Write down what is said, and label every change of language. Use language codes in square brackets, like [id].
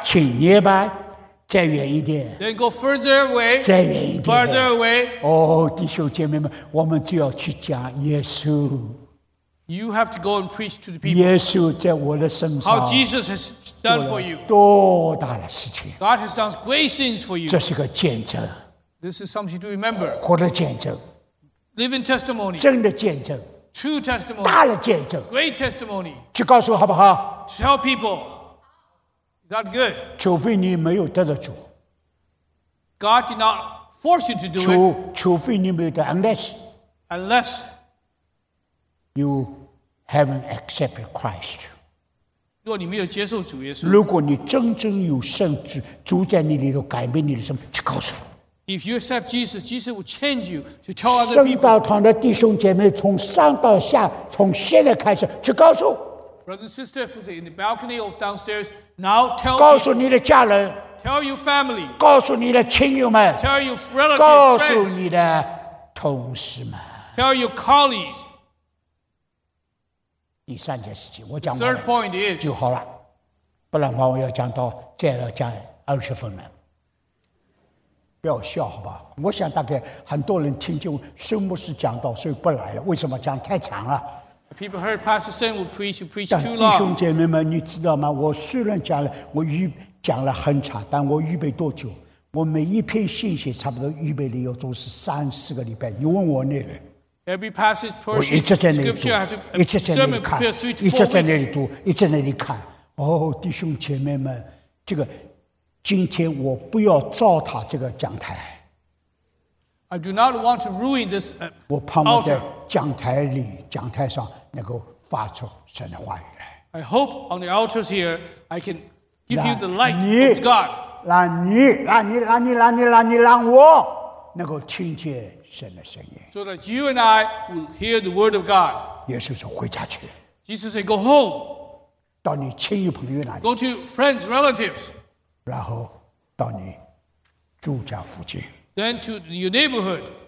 [zh] 请 nearby， 再远一点。 [en] Then go further away， [zh] 再远一点。 [en] Further away， [zh] 哦，弟兄姐妹们，我们就要去讲耶稣。 [en] You have to go and preach to the people。 [zh] 耶稣在我的身上 [en] ，How Jesus has done for you， [zh] 多大的事情 [en] ！God has done great things for you。 [zh] 这是个见证。 [en] This is something to remember。 [zh] 活的见证 [en] ，Living testimony， [zh] 真的见证。 [en] True testimony， [zh] 大的见证 [en] ，Great testimony， [zh] 去告诉好不好 [en] ？Tell people， that good， [zh] 除非你没有得到主 [en] ，God did not force you to do it， [zh] 除非你没有得 [en] unless you haven't accepted Christ， [zh] 如果你没有接受主耶稣，如果你真正有圣主住在你里头改变你的生命，去告诉。 [en] If you accept Jesus, Jesus will change you to tell other people. [zh] 圣道堂的弟兄姐妹，从上到下，从现在开始去告诉。 [en] Brothers and sisters in the balcony or downstairs, now tell. [zh] 告诉你的家人。 [en] Tell your family. [zh] 告诉你的亲友们。 [en] Tell your relatives. [zh] 告诉你的同事们。 [en] Tell your colleagues. [zh] 第三件事情，我讲完 [en] 了。Third point is [zh] 就好了，不然话我要讲到再要讲二十分了。不要笑好吧，我想大概很多人听见孙牧师讲道所以不来了，为什么讲太长了。 [en] People heard Pastor Sen will preach, you preach too long. [zh] 弟兄姐妹们你知道吗，我虽然讲了我预讲了很长，但我预备多久，我每一篇信息差不多预备理由都是三四个礼拜，你问我那人。 [en] Every passage portion, [zh] 我一直在那里读，一直在那里看，一直在那里读，一直在那里看。哦，弟兄姐妹们，这个今天我不要糟蹋这个讲台。 [en] I do not want to ruin this. [zh] 我盼望在讲台里，讲台上能够发出神的话语来。 [en] I hope on the altars here, I can give you the light of God. [zh] 让你让我能够听见神的声音。 [en] So that you and I will hear the word of God. [zh] 耶稣说回家去。 [en] Jesus said, "Go home." [zh] 到你亲友朋友那里。 [en] Go to friends, relatives. [zh] 然后到你住家附近 [en] ，then to your neighborhood，